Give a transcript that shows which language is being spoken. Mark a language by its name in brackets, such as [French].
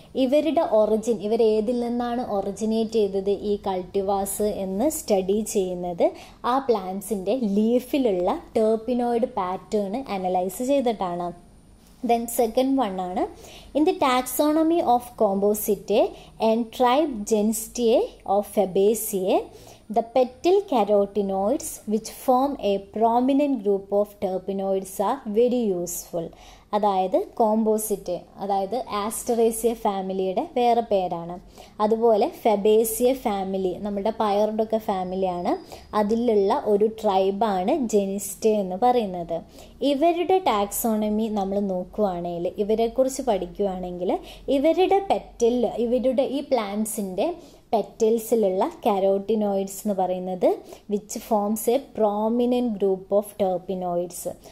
[Malayalam] ഇവരുടെ ഒറിജിൻ, ഇവരേതിൽ നിന്നാണ് ഒറിജിനേറ്റ് ചെയ്തത് ഈ കൾട്ടിവാർസ് എന്ന് സ്റ്റഡി ചെയ്യുന്നത് ആ പ്ലാന്റ്സിൻ്റെ ലീഫിലുള്ള ടെർപ്പിനോയിഡ് പാറ്റേൺ അനലൈസ് ചെയ്തിട്ടാണ്. [English] Then second വണ്ണാണ് in the taxonomy of compositae and tribe genisteae of fabaceae The petal carotenoids, which form a prominent group of terpenoids, are very useful. [Malayalam] അതായത് composite, അതായത് ആസ്റ്ററേസിയ ഫാമിലിയുടെ വേറെ പേരാണ്. അതുപോലെ ഫെബേസിയ ഫാമിലി, നമ്മുടെ പയറുടെയൊക്കെ ഫാമിലിയാണ്, അതിലുള്ള ഒരു ട്രൈബാണ് ജെനിസ്റ്റെ എന്ന് പറയുന്നത്. ഇവരുടെ ടാക്സോണമി നമ്മൾ നോക്കുകയാണെങ്കിൽ, ഇവരെക്കുറിച്ച് പഠിക്കുകയാണെങ്കിൽ, ഇവരുടെ പെറ്റൽ, ഇവരുടെ ഈ പ്ലാന്റ്സിൻ്റെ പെറ്റൽസിലുള്ള കാരോട്ടിനോയിഡ്സ് എന്ന് പറയുന്നത് [English] Which forms a prominent group of terpenoids.